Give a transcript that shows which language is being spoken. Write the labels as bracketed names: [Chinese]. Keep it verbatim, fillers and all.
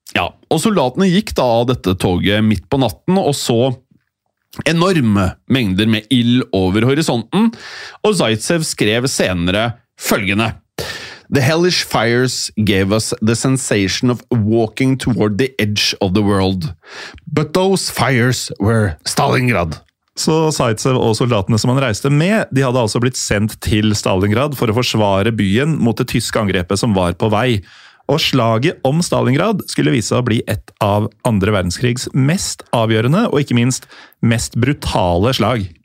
[Norwegian] Ja, og soldatene gikk da dette toget midt på natten, og så enorme mengder med ild over horisonten, og Zaitsev skrev senere følgende: [English] The hellish fires gave us the sensation of walking toward the edge of the world. But those fires were Stalingrad. [Norwegian] Så Zaitsev og soldatene som han reiste med, de hadde altså blitt sendt til Stalingrad for å forsvare byen mot det tyske angrepet som var på vei. Og slaget om Stalingrad skulle vise seg å bli et av andre verdenskrigs mest avgjørende, og ikke minst mest brutale slag.